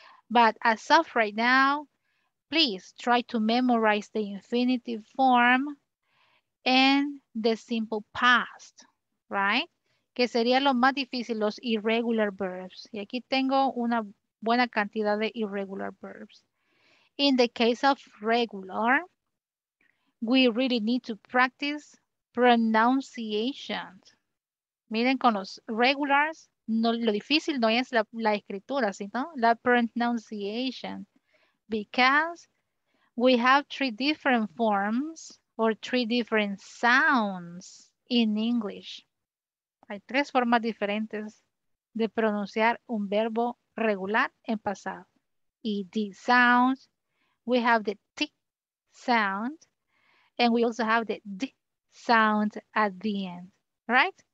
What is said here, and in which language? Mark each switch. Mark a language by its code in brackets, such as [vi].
[en] But as of right now, please try to memorize the infinitive form and the simple past, right? [es] Que sería lo más difícil, los [en] irregular verbs. [es] Y aquí tengo una buena cantidad de irregular verbs. [en] In the case of regular, we really need to practice pronunciation. [es] Miren, con los regulars, no, lo difícil no es la escritura, sino la [en] pronunciation. Because we have 3 different forms or 3 different sounds in English. [es] Hay 3 formas diferentes de pronunciar un verbo regular en pasado. [en] Y these sounds, we have the T sound, and we also have the D sound at the end, right?